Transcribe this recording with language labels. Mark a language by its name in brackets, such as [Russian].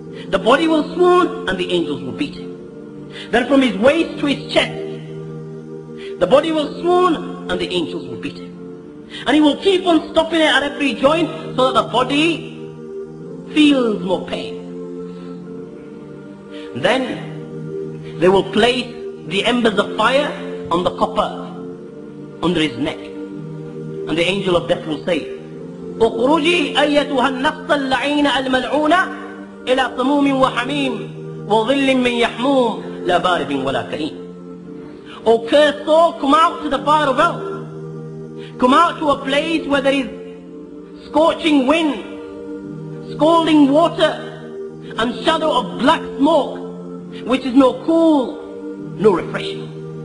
[English] The body will swoon and the angels will beat him. Then from his waist to his chest, the body will swoon and the angels will beat him. And he will keep on stopping it at every joint so that the body feels more pain. Then they will place the embers of fire on the copper under his neck. And the angel of death will say, [Arabic] اخرجي ايتها النفس اللعينه الملعونه الى صموم وحميم وظل من يحموم لا بارد ولا كريم. [English] O cursed soul, come out to the fire of hell. Come out to a place where there is scorching wind, scalding water, and shadow of black smoke, which is no cool, no refreshing.